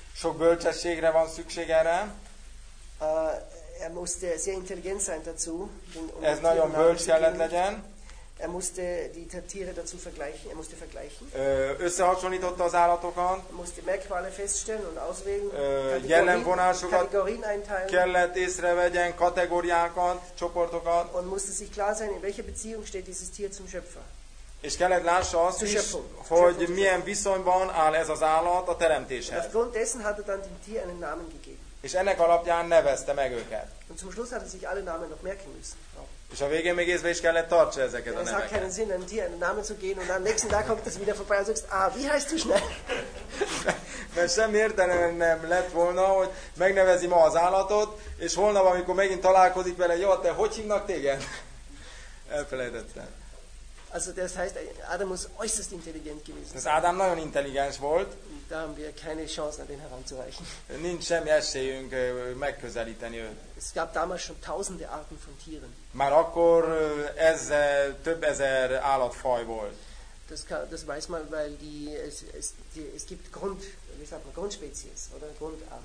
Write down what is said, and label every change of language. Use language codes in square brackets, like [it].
[hu] Sok bölcsességre van szüksége erre. [de] Er musste sehr intelligent sein dazu. [hu] Ez nagyon bölcs kellett legyen. [de] Er musste die Tiere dazu vergleichen, er musste vergleichen. [hu] Összehasonlította az állatokat. [de] Er musste Merkmale feststellen und auswählen. [hu] Jellemvonásokat. [de] Kategorien einteilen. [hu] Kellett észrevegyen kategóriákat, csoportokat. [de] Und musste sich klar sein, in welcher Beziehung steht dieses Tier zum Schöpfer. [hu] És kellett lássa azt is, hogy milyen viszonyban áll ez az állat a teremtéshez. [de] Aufgrund dessen hat er dann dem Tier einen Namen gegeben. [hu] És ennek alapján nevezte meg őket. [de] Und zum Schluss hat er sich alle Namen noch merken müssen. [hu] És a végén még észbe is kellett tartsa ezeket a neveket. [de] Es hat keinen Sinn, einem Tier einen Namen zu geben und dann nächsten Tag kommt es wieder vorbei und sagst, ah, wie heißt du schnell? [hu] Mert semmi értelem nem lett volna, hogy megnevezi ma az állatot, és holnap, amikor megint találkozik vele, jó, te hogy hívnak téged? Elfelejtettem. [de] Also das heißt, Adam muss äußerst intelligent gewesen. Das [hu] Adam nagyon intelligens volt. [de] Da haben wir keine Chance, an den heranzureichen. [hu] Nincs semmi esélyünk megközelíteni őt. [de] Es gab damals schon tausende Arten von Tieren. [hu] Már akkor több ezer állatfaj volt. [de] Das weiß man, weil es gibt Grund, wie sagt man, Grundspezies oder Grundarten.